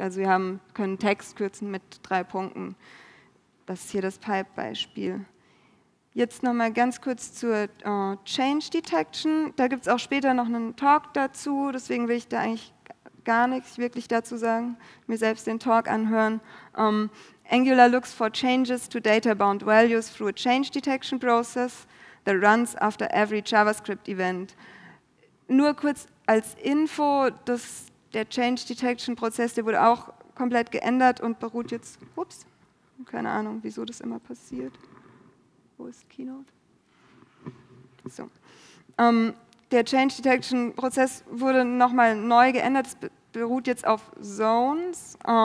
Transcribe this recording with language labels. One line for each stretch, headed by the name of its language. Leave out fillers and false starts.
German: Also wir können Text kürzen mit 3 Punkten. Das ist hier das Pipe-Beispiel. Jetzt nochmal ganz kurz zur Change Detection. Da gibt es auch später noch einen Talk dazu, deswegen will ich da eigentlich gar nichts wirklich dazu sagen, mir selbst den Talk anhören.
English: Angular looks for changes to data-bound values through a change detection process that runs after every JavaScript event.
German: Nur kurz als Info, der Change Detection Prozess, der wurde auch komplett geändert und beruht jetzt, ups, keine Ahnung, wieso das immer passiert. Wo ist Keynote? So. Der Change Detection Prozess wurde nochmal neu geändert. Es beruht jetzt auf Zones.